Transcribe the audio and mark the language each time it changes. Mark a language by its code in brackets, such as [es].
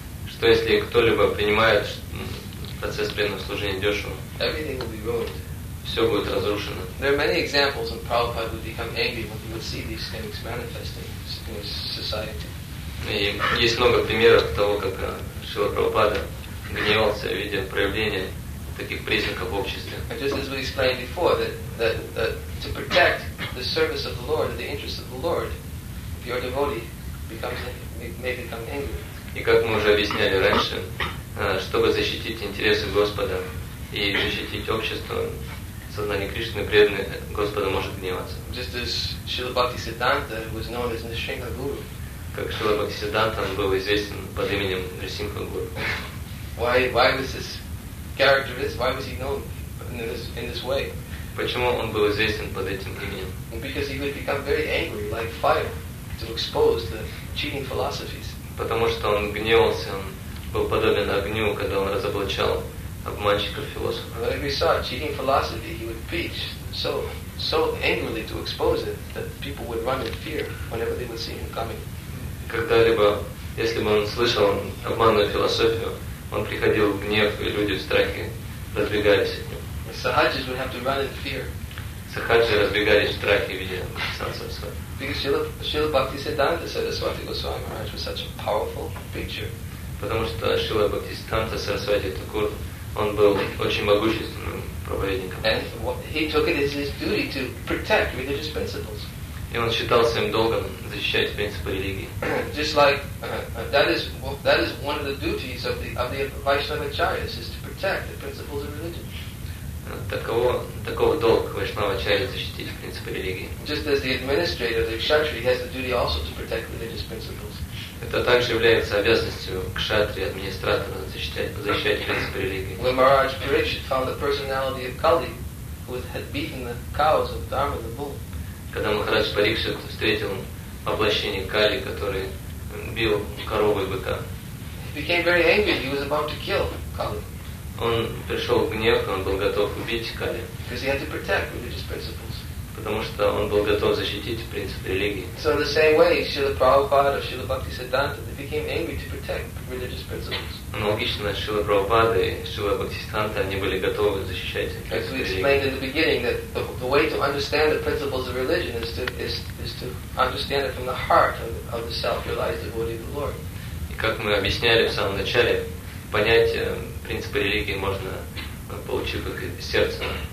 [ru] Что если кто-либо принимает процесс преданного служения дешево? [en] Everything will be ruined. [ru] Все будет разрушено. [en] There are many examples when Prabhupada would become angry when he would see these things manifesting in his society. [ru] И есть много примеров того, как Шрила Прабхупада гневался, видя проявление таких признаков в обществе. [en] And just as we explained before, that to protect the service of the Lord, the interest of the Lord, if your devotee may become angry. [ru] И как мы уже объясняли раньше, чтобы защитить интересы Господа и защитить общество, сознание Кришны, преданное Господа, может гневаться. [en] Just as Srila Bhaktisiddhanta was known as Nrisimha Guru. [ru] Как Шрила Бхактисиддханта был известен под именем Нрисимха Гуру. [en] Why was his character this? Why was he known in this way? [ru] Почему он был известен под этим именем? [en] Because he would become very angry, like fire, to expose the cheating philosophies. [ru] Потому что он гневался, он был подобен огню, когда он разоблачал обманщиков-философов. [en] When he saw cheating philosophy, he would preach so angrily to expose it that people would run in fear whenever they would see him coming. [ru] Когда-либо, если бы он слышал обманную философию, он приходил в гнев, и люди в страхе разбегались от него. [en] Sahajis would have to run in fear. [ru] Сахаджи разбегались в страхе, видя Сансарасвати. [en] Because Srila Bhaktisiddhanta Saraswati Goswami Maharaj was such a powerful preacher. [ru] Потому что Srila Bhaktisiddhanta Saraswati Thakur, он был очень могущественным проповедником. [en] And he took it as his duty to protect religious principles. [ru] И он считал своим долгом защищать принципы религии. [en] Just like that is one of the duties of the Vaishnava Acharyas, is to protect the principles of religion. [ru] Такого долг Вайшнава Ачарьи защитить принципы религии. [en] Just as the administrator of the Kshatriya has the duty also to protect religious principles. [ru] Это также является обязанностью Кшатри, администратора, защищать принципы религии. [en] When Maharaj Parikshit found the personality of Kali, who had beaten the cows of Dharma, the bull. [ru] Когда Махарадж Парикшит встретил воплощение Кали, который бил коровы и быка. [en] He became very angry. He was about to kill Kali. [ru] Он пришел в гнев, он был готов убить Кали. [en] Because he had to protect religious principles. [ru] Потому что он был готов защитить принципы религии. [en] So in the same way, Srila Prabhupada or Srila Bhaktisiddhanta, they became angry to protect religious principles. [ru] Аналогично, Srila Prabhupada и Srila Bhaktisiddhanta, они были готовы защищать принципы религии. [en] As we explained in the beginning, that the way to understand the principles of religion is to understand it from the heart of the self-realized devotee of the Lord. [ru] И как мы объясняли в самом начале, понять принципы религии можно, получив их из сердца.